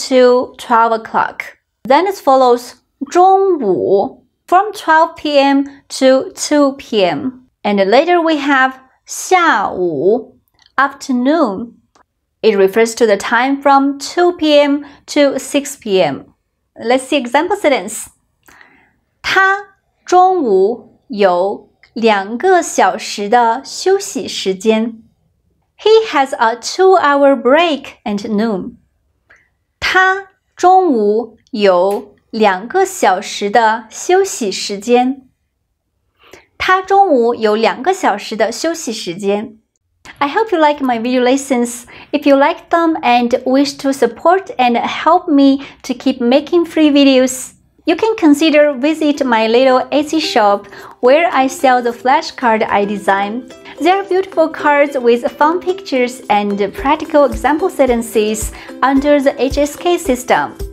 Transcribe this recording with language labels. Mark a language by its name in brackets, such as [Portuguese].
[English] to 12 o'clock. Then it follows 中午 from 12 p.m. to 2 p.m. And later we have 下午 afternoon. It refers to the time from 2 p.m. to 6 p.m. Let's see example sentence. [Chinese] 他中午有两个小时的休息时间。 [English] He has a 2-hour break at noon. [Chinese] 他中午有两个小时的休息时间。他中午有两个小时的休息时间。 [English] I hope you like my video lessons. If you like them and wish to support and help me to keep making free videos, you can consider visit my little Etsy shop where I sell the flashcard I design. They are beautiful cards with fun pictures and practical example sentences under the HSK system.